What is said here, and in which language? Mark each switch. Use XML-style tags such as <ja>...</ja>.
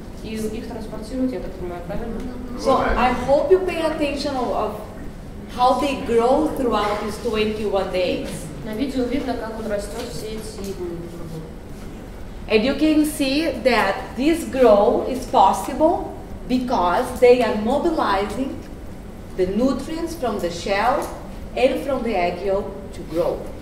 <ru>И их транспортируют, я так понимаю, правильно?</ru> <en>So I hope you pay attention of how they grow throughout these 21 days.</en> <ru>На видео видно, как он растет все эти дни.</ru> <en>And you can see that this growth is possible because they are mobilizing the nutrients from the shell and from the egg yolk to grow.</en>